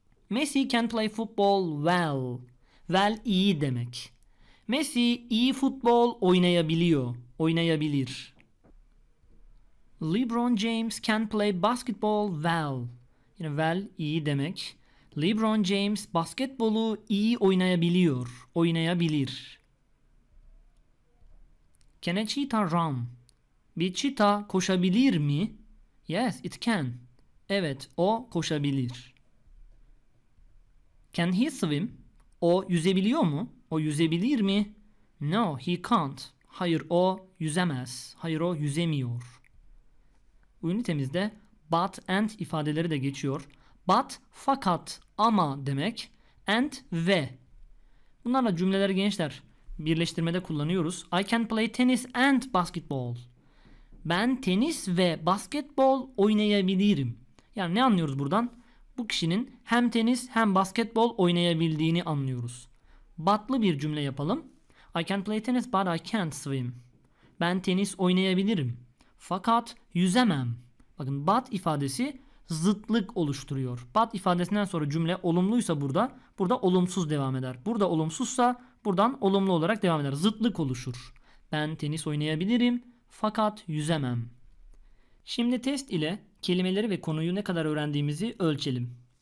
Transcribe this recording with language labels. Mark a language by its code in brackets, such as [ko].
[en] Messi can play football well. [tr] Well iyi demek. Messi iyi futbol oynayabiliyor. Oynayabilir. [en] LeBron James can play basketball well. [tr] Yine well iyi demek. LeBron James basketbolu iyi oynayabiliyor. Oynayabilir. [en] Can a cheetah run? [tr] Bir cheetah koşabilir mi? [en] Yes, it can. [tr] Evet, o koşabilir. [en] Can he swim? [tr] O yüzebiliyor mu? O yüzebilir mi? [en] No, he can't. [tr] Hayır, o yüzemez. Hayır, o yüzemiyor. Ünitemizde but and ifadeleri de geçiyor. But, fakat, ama demek. And, ve. Bunlarla cümleler gençler birleştirmede kullanıyoruz. [en] I can play tennis and basketball. [tr] Ben tenis ve basketbol oynayabilirim. Yani ne anlıyoruz buradan? Bu kişinin hem tenis hem basketbol oynayabildiğini anlıyoruz. Batlı bir cümle yapalım. [en] I can play tennis but I can't swim. [tr] Ben tenis oynayabilirim. Fakat yüzemem. Bakın but ifadesi zıtlık oluşturuyor. But ifadesinden sonra cümle olumluysa burada, burada olumsuz devam eder. Burada olumsuzsa buradan olumlu olarak devam eder. Zıtlık oluşur. Ben tenis oynayabilirim fakat yüzemem. Şimdi test ile kelimeleri ve konuyu ne kadar öğrendiğimizi ölçelim.